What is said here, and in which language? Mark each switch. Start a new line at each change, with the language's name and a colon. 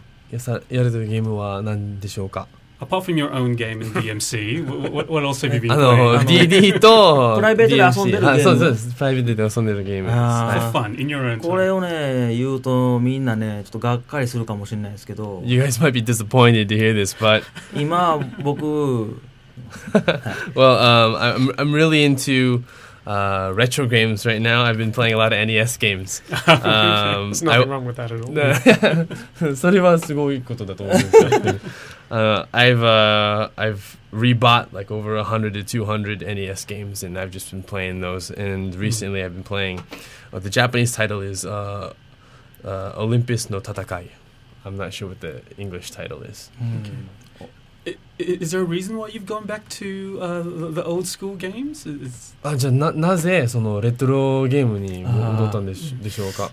Japanese: やられてるゲームは何でしょうか?
English: Apart from your own game in DMC, what else have you been playing? DD と
Japanese: プライベートで遊んでるゲーム。
English: For fun, in your own time.
Japanese: これをね、言うとみんなね、ちょっとがっかりするかもしれないですけど。
English: You guys might be disappointed to hear this, but
Japanese: 今僕
English: Well, I'm really into retro games right now. I've been playing a lot of NES games. There's nothing wrong with that at all.
Japanese: それはすごいことだと思うんですよ。
English: I've rebought like over 100 to 200 NES games, and I've just been playing those. And recently, I've been playing. The Japanese title is Olympus no Tatakai. I'm not sure what the English title is. Okay. Is there a reason why you've gone back to the old school games?
Japanese: じゃあなぜそのレトロゲームに戻ったんでしょうか。